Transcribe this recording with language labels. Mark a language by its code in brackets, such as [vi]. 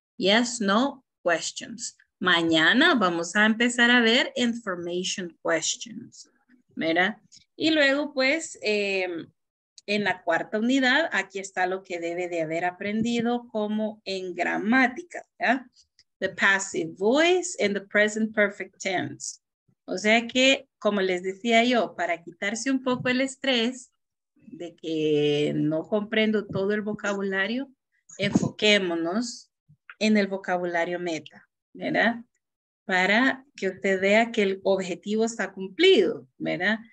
[en] Yes, no questions. [es] Mañana vamos a empezar a ver information questions, ¿verdad? Y luego, pues, en la cuarta unidad, aquí está lo que debe de haber aprendido como en gramática, ¿verdad? [en] The passive voice and the present perfect tense. [es] O sea que, como les decía yo, para quitarse un poco el estrés de que no comprendo todo el vocabulario, enfoquémonos en el vocabulario meta, ¿verdad? Para que usted vea que el objetivo está cumplido, ¿verdad?